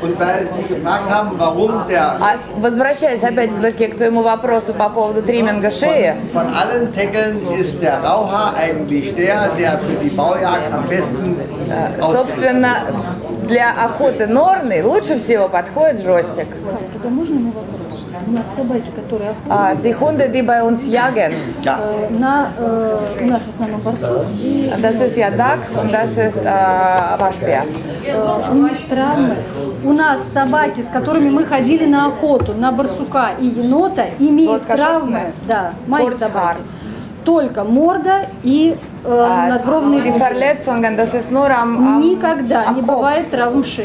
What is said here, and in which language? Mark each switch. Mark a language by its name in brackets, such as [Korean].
[Russian] А возвращаясь опять-таки к твоему вопросу по поводу тримминга шеи, собственно, для охоты норны лучше всего подходит джойстик. Тогда можно мне вопрос? У нас собаки, которые охотятся... [German] Die Hunde, die bei uns jagen. [Russian] У нас в основном барсук. [German] Das ist ja Dachs und das ist Waschbär. [Russian] У них травмы. У нас собаки, с которыми мы ходили на охоту, на барсука и енота, имеют травмы. Да, мои собаки. Только морда и надбровные [German] die Verletzungen, das ist nur am, [Russian] никогда не бывает травм шеи.